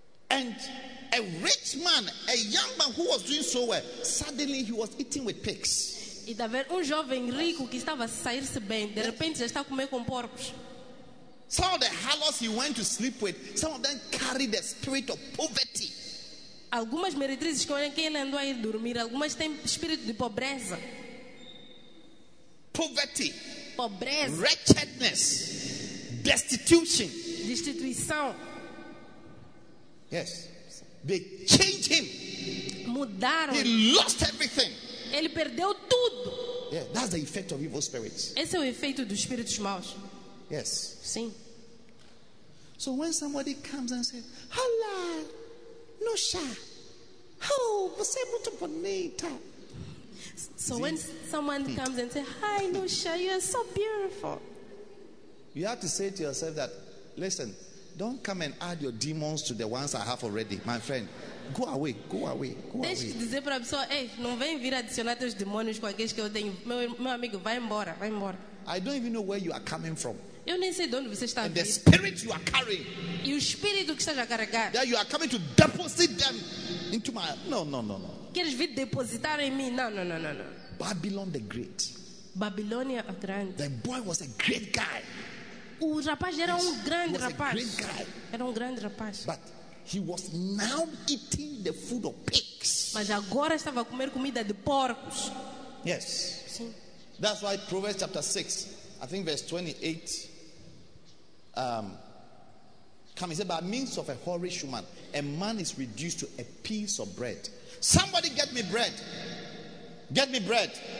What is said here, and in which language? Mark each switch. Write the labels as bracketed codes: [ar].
[en] And a rich man, a young man who was doing so well, suddenly he was eating with pigs. [pt] E de haver jovem rico que estava a sair-se bem, de repente já está a comer com porcos. [en] Some of the harlots he went to sleep with, some of them carry the spirit of poverty. [pt] Algumas meretrizes que ele andou a ir dormir, algumas têm espírito de pobreza. [en] Poverty, [pt] pobreza, [en] wretchedness, destitution, [pt] destituição. [en] Yes, they changed him. [pt] Mudaram. [en] He lost everything. [pt] Ele perdeu tudo. [en] Yeah, that's the effect of evil spirits. [pt] Esse é o efeito dos espíritos maus. [en] Yes. [pt] Sim. [en] So when somebody comes and says, [pt] "Hola, Nusha, oh, você é muito bonita." [en] So when someone comes and says, "Hi, Nusha, you are so beautiful," you have to say to yourself that, "Listen, don't come and add your demons to the ones I have already, my friend. Go away, go away, go away." [pt] Deixa eu dizer para a pessoa, "Ei, não vem vir adicionar teus demônios com aqueles que eu tenho. Meu amigo, vai embora, vai embora." [en] I don't even know where you are coming from. [pt] Eu nem sei de onde você está vindo. [en] The spirit you are carrying. [pt] E o espírito que estás a carregar. [en] That you are coming to deposit them into my no. [pt] Queres vir depositar em mim? Não. [en] Babylon the Great. [pt] Babilônia a grande. [en] The boy was a great guy. [pt] O rapaz era um grande rapaz. [en] A great guy. [pt] Era um grande rapaz. [en] But he was now eating the food of pigs. [pt] Mas agora estava a comer comida de porcos. [en] Yes. [pt] Sim. [en] That's why Proverbs chapter 6, I think verse 28. Come, he said, by means of a whorish woman, a man is reduced to a piece of bread. Somebody get me bread. Get me bread.